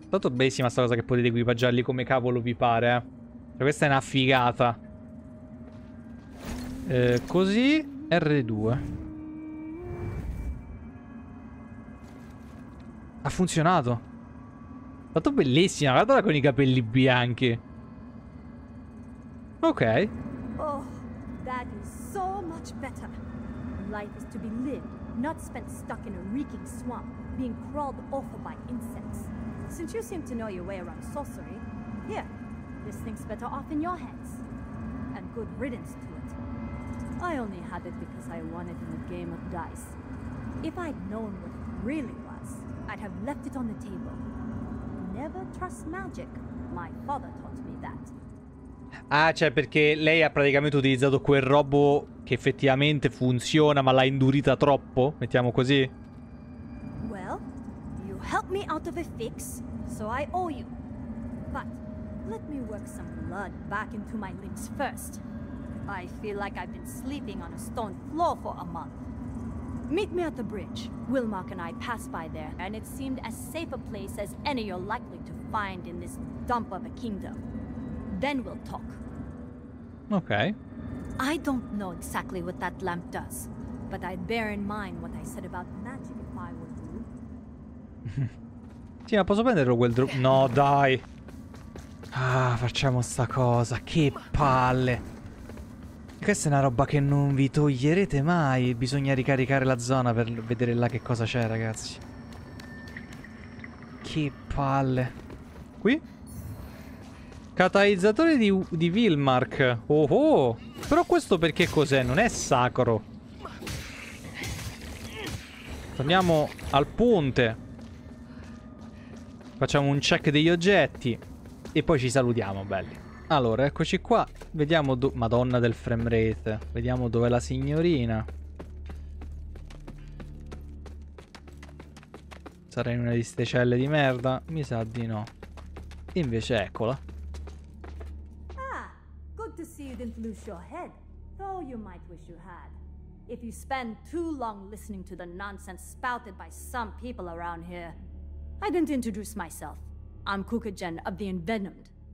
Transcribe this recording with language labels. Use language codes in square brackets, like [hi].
[it] tanto bellissima sta cosa che potete equipaggiarli come cavolo vi pare, Cioè, questa è una figata. Così, R2. Ha funzionato. È stato bellissimo. Guardala con i capelli bianchi. Ok. [en] Oh, that is so much better. Life is to be lived, not spent stuck in a reeking swamp, being crawled over by insects. Since you seem to know your way around sorcery, here, this thing's better off in your hands. And good riddance to it. I only had it because I won it in a game of dice. If I'd known what it really was. I'd have left it on the table. Never trust magic. My father taught me that. [it] Ah, cioè, perché lei ha praticamente utilizzato quel robo che effettivamente funziona, ma l'ha indurita troppo? Mettiamo così. [en] Well, you helped me out of a fix, so I owe you. But let me work some blood back into my limbs first. I feel like I've been sleeping on a stone floor for a month. Meet me at the bridge. Wilmark and I passed by there, and it seemed as safe a place as any you're likely to find in this dump of a kingdom. Then we'll talk. Okay. I don't know exactly what that lamp does, but I'd bear in mind what I said about magic if I were you. [it] Sì, ma posso prenderlo quel drone? No, dai! Ah, facciamo sta cosa. Che palle! Questa è una roba che non vi toglierete mai. Bisogna ricaricare la zona per vedere là che cosa c'è, ragazzi. Che palle. Qui? Catalizzatore di Wilmark. Oh oh. Però questo perché cos'è? Non è sacro. Torniamo al ponte. Facciamo un check degli oggetti. E poi ci salutiamo, belli. Allora, eccoci qua. Vediamo Madonna del framerate. Vediamo dov'è la signorina. Sarà in una di ste celle di merda? Mi sa di no. Invece eccola. [en] Ah, good to see you didn't lose your head. Though you might wish you had. If you spend too long listening to the nonsense spouted by some people around here. I didn't introduce myself. I'm Kukagen of the Envenomed.